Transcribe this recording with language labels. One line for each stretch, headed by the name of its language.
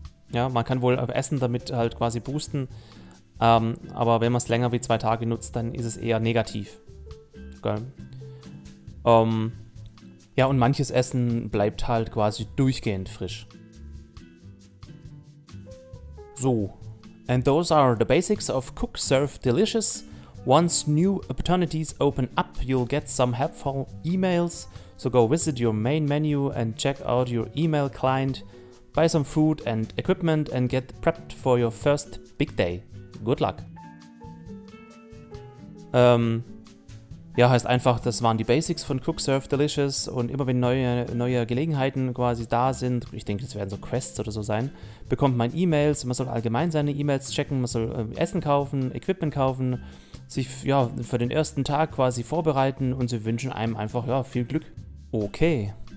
German: Ja, man kann wohl essen damit halt quasi boosten, aber wenn man es länger wie 2 Tage nutzt, dann ist es eher negativ. Geil. Ja, und manches Essen bleibt halt quasi durchgehend frisch. So.
English: And those are the basics of Cook Serve Delicious. Once new opportunities open up, you'll get some helpful emails. So go visit your main menu and check out your email client. Buy some food and equipment and get prepped for your first big day. Good luck.
German: Ja, heißt einfach, das waren die Basics von Cook Serve Delicious und immer wenn neue Gelegenheiten quasi da sind, ich denke, das werden so Quests oder so sein, bekommt man E-Mails, man soll allgemein seine E-Mails checken, man soll Essen kaufen, Equipment kaufen, sich ja, für den ersten Tag quasi vorbereiten und sie wünschen einem einfach ja, viel Glück. Okay.